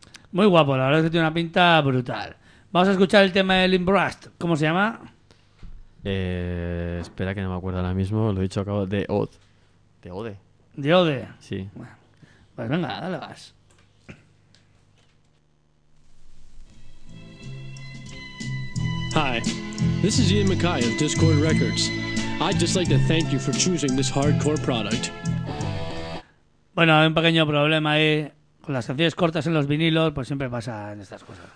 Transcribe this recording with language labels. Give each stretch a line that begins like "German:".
Spanish: Muy guapo, la verdad es que tiene una pinta brutal. Vamos a escuchar el tema de Limbrust. ¿Cómo se llama? Espera, que no me acuerdo ahora mismo. Lo he dicho, acabo de Ode. De Ode. ¿De Ode? Sí. Bueno, pues venga, dale gas.
English: Hi, this is Ian McKay of Discord Records. I'd just like to thank you for choosing this hardcore product.
Spanish: Bueno, hay un pequeño problema ahí. Con las canciones cortas en los vinilos, pues siempre pasa en estas cosas.